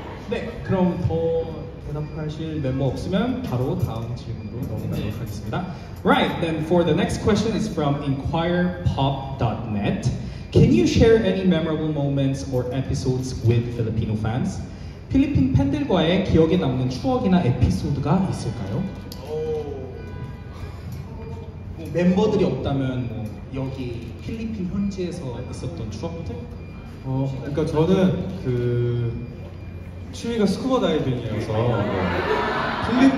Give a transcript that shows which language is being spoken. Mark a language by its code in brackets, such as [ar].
[ko] 네, 그럼 더 대답하실 멤버 없으면 바로 다음 질문으로 넘어가도록 하겠습니다. [en] Right, then for the next question is from inquirepop.net. Can you share any memorable moments or episodes with Filipino fans? [ko] 필리핀 팬들과의 기억에 남는 추억이나 에피소드가 있을까요? 뭐 멤버들이 없다면 뭐 여기 필리핀 현지에서 있었던 추억들? 그러니까 저는 그 취미가 스쿠버 다이빙이어서 네.